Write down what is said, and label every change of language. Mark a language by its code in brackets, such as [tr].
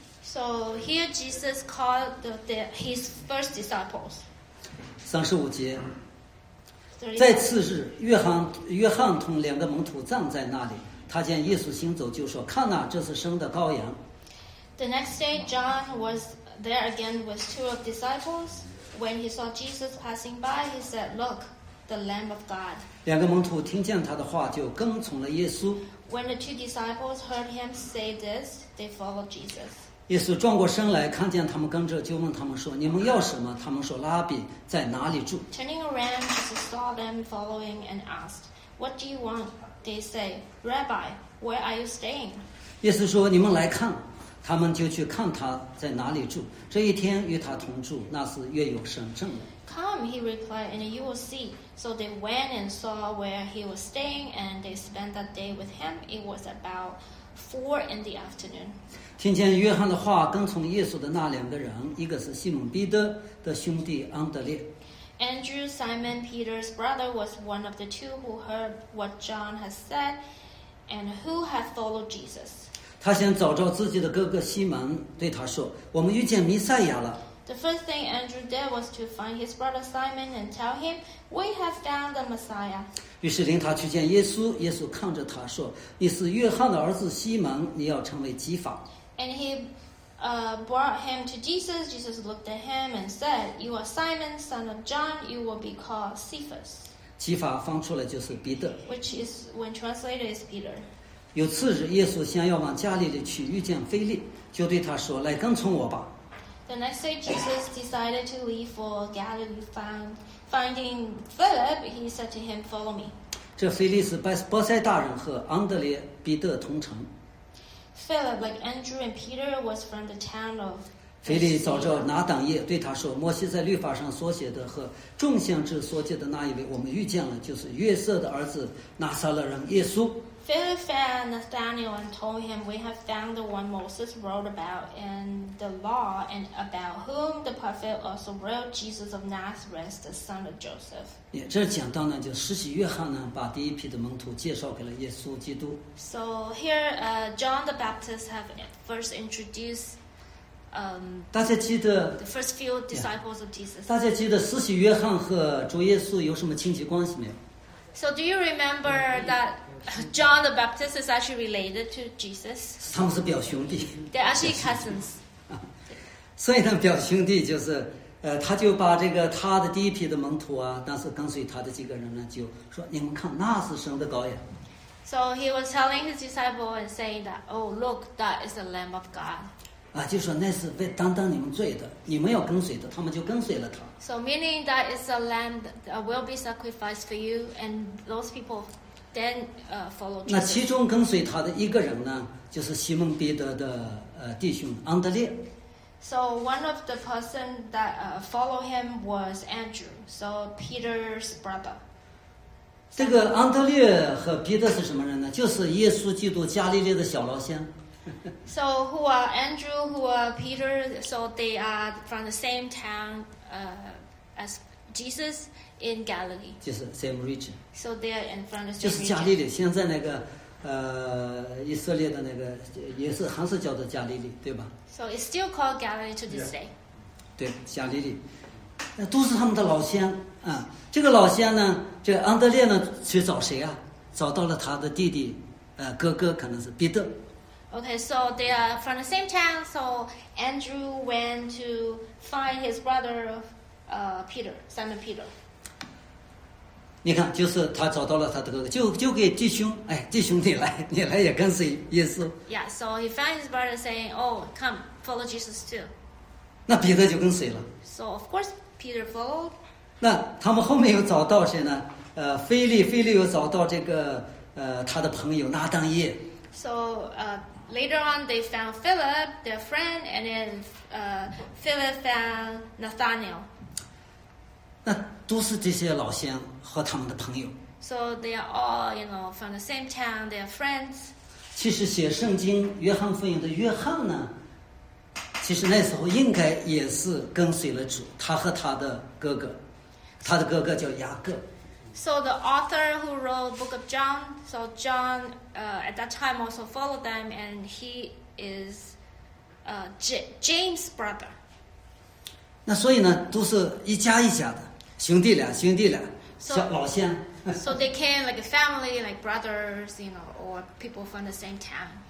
[en] So here Jesus called his first disciples. [zh] 三十五节，在次日，约翰同两个门徒站在那里，他见耶稣行走，就说：“看哪，这是生的羔羊。” [en] The next day, John was. There again was two of disciples. When he saw Jesus passing by, he said, "Look, the Lamb of God." [zh] 两个门徒听见他的话，就跟从了耶稣。 [en] When the two disciples heard him say this, they followed Jesus. [zh] 耶稣转过身来，看见他们跟着，就问他们说：“你们要什么？” 他们说：“拉比，在哪里住？” [en] Turning around, Jesus saw them following and asked, "What do you want?" They say, "Rabbi, where are you staying?" [zh] 耶稣说：“你们来看。” 他们就去看他在哪里住。这一天与他同住，那是月有神证了。 [en] Come, he replied, and you will see. So they went and saw where he was staying, and they spent that day with him. It was about 4 p.m. [zh] 听见约翰的话，跟从耶稣的那两个人，一个是西蒙彼得的兄弟安德烈。 [en] Andrew, Simon Peter's brother, was one of the two who heard what John had said, and who had followed Jesus. [zh] 他先找着自己的哥哥西门，对他说：“我们遇见弥赛亚了。” [en] The first thing Andrew did was to find his brother Simon and tell him, "We have found the Messiah." [zh] 于是领他去见耶稣。耶稣看着他说：“你是约翰的儿子西门，你要成为基法。” [en] And he brought him to Jesus. Jesus looked at him and said, "You are Simon, son of John. You will be called Cephas." [zh] 基法翻出来就是彼得。 [en] Which is when translated is Peter. [zh] 有次日，耶稣先要往加利利去，遇见腓力，就对他说：“来跟从我吧。” [en] The next day, Jesus decided to leave for Galilee. Finding Philip, he said to him, "Follow me." [zh] 这腓力是伯塞大人和安德烈、彼得同城。 [en] Philip, like Andrew and Peter, was from the town of. [zh] 腓力找着拿单叶，对他说：“摩西在律法上所写的和众先知所写的那一位，我们遇见了，就是约瑟的儿子拿撒勒人耶稣。” [en] Philip found Nathanael and told him, "We have found the one Moses wrote about in the law, and about whom the prophet also wrote, Jesus of Nazareth, the son of Joseph." [zh] 这讲到呢，就施洗约翰呢，把第一批的门徒介绍给了耶稣基督。 [en] So here, John the Baptist have first introduced. [zh] 大家记得 [en] the first few disciples of Jesus. [zh] 大家记得施洗约翰和主耶稣有什么亲戚关系没有 [en] ？So do you remember that? John the Baptist is actually related to Jesus. [zh] 他们是表兄弟。 [en] They're actually cousins. [zh] 所以呢，表兄弟就是，他就把这个他的第一批的门徒啊，当时跟随他的几个人呢，就说：“你们看，那是神的羔羊。” [en] So he was telling his disciple and saying that, "Oh, look, that is the Lamb of God." [zh] 就说那是为担当你们罪的，你们要跟随的，他们就跟随了他。 [en] So meaning that is a lamb that will be sacrificed for you, and those people. Then, [zh] 那其中跟随他的一个人呢，就是西门彼得的弟兄安德烈。 [en] So one of the person that followed him was Andrew, so Peter's brother. [zh] 这个安德烈和彼得是什么人呢？就是耶稣基督加利利的小老乡。 [en] So who are Andrew? Who are Peter? So they are from the same town as Jesus. In Galilee, [zh] 就是 [en] same region. So they are in front of the same region. [zh] 就是加利利，现在那个以色列的那个也是还是叫做加利利，对吧 [en] ？So it's still called Galilee to this day. [zh] 对，加利利，那都是他们的老乡啊。这个老乡呢，这安德烈呢去找谁啊？找到了他的弟弟，哥哥可能是彼得。 [en] Okay, so they are from the same town. So Andrew went to find his brother, Peter, Simon Peter. [zh] 你看，就是他找到了他的哥哥，就给弟兄，哎，弟兄你来也跟随耶稣。 [en] Yeah, so he found his brother saying, "Oh, come, follow Jesus too." [zh] 那彼得就跟随了。 [en] So of course Peter followed. [zh] 那他们后面又找到谁呢？腓力又找到这个他的朋友拿单叶。 [en] So later on, they found Philip, their friend, and then Philip found Nathaniel. [zh] 那都是这些老乡和他们的朋友。 [en] So they are all, you know, from the same town. They are friends. [zh] 其实写圣经约翰福音的约翰呢，其实那时候应该也是跟随了主，他和他的哥哥，他的哥哥叫雅各。 [en] So the author who wrote the book of John, so John at that time also followed them, and he is James' brother. [zh] 那所以呢，都是一家一家的兄弟俩，小老乡。 [en] So they came like a family, like brothers, you know, or people from the same town.